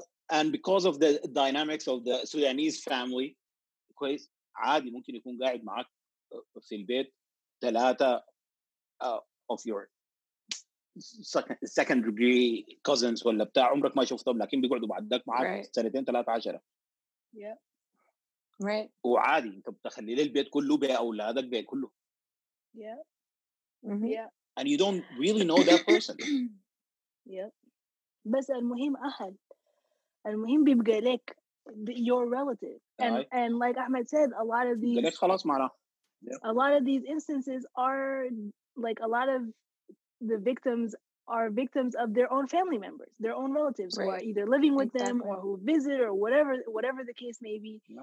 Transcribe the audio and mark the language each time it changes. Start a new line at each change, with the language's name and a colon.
English: And because of the dynamics of the Sudanese family,
Arabic: كويس عادي ممكن يكون قاعد معك في البيت ثلاثة
English: of your second degree cousins
Arabic: ولا بتاع عمرك ما شفتهم لكن بيقعدوا بعدك معك سنتين ثلاثة عشرة. وعادي انت بتخلي للبيت كله بأولادك بيت كله.
English: And you don't really know that person.
Arabic: بس المهم أهل. المهم بيبقى لك
English: your relative. And like Ahmed said, a lot of these...
Arabic: خلاص معنا.
English: A lot of these instances are like a lot of the victims are victims of their own family members, their own relatives who are either living with them or who visit or whatever the case may be.